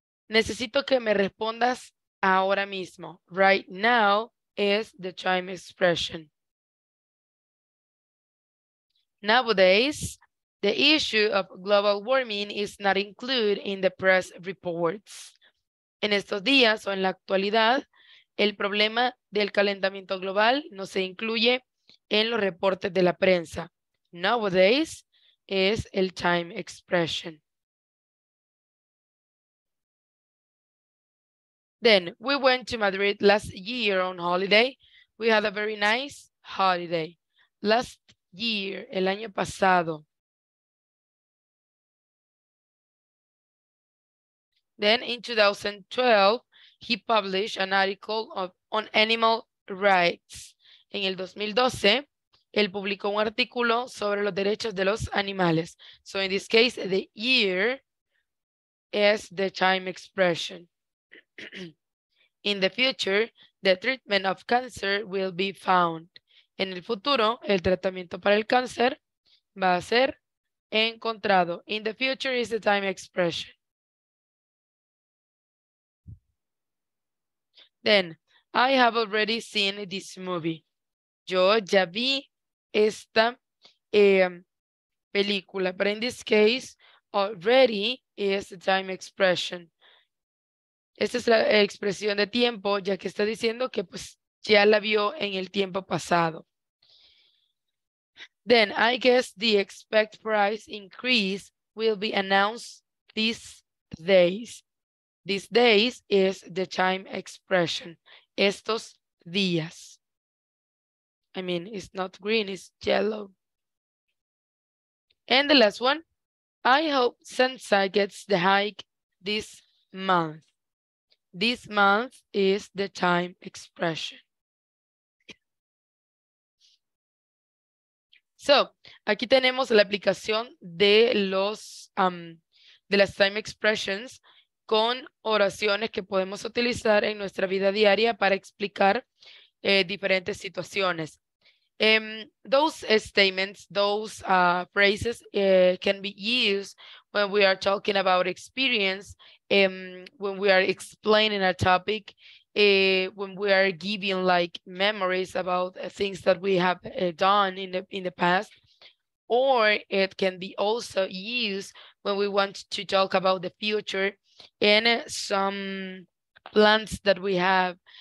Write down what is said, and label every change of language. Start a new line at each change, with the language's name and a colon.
Spanish: Necesito que me respondas ahora mismo.
English: Right now is the time expression. Nowadays, the issue of global warming is not included in the press reports.
Spanish: En estos días o en la actualidad, el problema del calentamiento global no se incluye en los reportes de la prensa.
English: Nowadays is el time expression. Then, we went to Madrid last year on holiday. We had a very nice holiday. Last year,
Spanish: el año pasado.
English: Then, in 2012, he published an article on animal rights.
Spanish: En el 2012, él publicó un artículo sobre los derechos de los animales.
English: So, in this case, the year is the time expression. In the future, the treatment of cancer will be found.
Spanish: En el futuro, el tratamiento para el cáncer va a ser encontrado.
English: In the future is the time expression. Then, I have already seen this movie.
Spanish: Yo ya vi esta película.
English: But in this case, already is the time expression.
Spanish: Esta es la expresión de tiempo, ya que está diciendo que pues ya la vio en el tiempo pasado.
English: Then, I guess the expected price increase will be announced this days. These days is the time expression.
Spanish: Estos días.
English: I mean, it's not green, it's yellow. And the last one. I hope Sansa gets the hike this month. This month is the time expression.
Spanish: So, aquí tenemos la aplicación de los de las time expressions con oraciones que podemos utilizar en nuestra vida diaria para explicar diferentes situaciones.
English: Those statements, those phrases can be used when we are talking about experience, when we are explaining a topic, when we are giving like memories about things that we have done in the past, or it can be also used when we want to talk about the future and some plans that we have.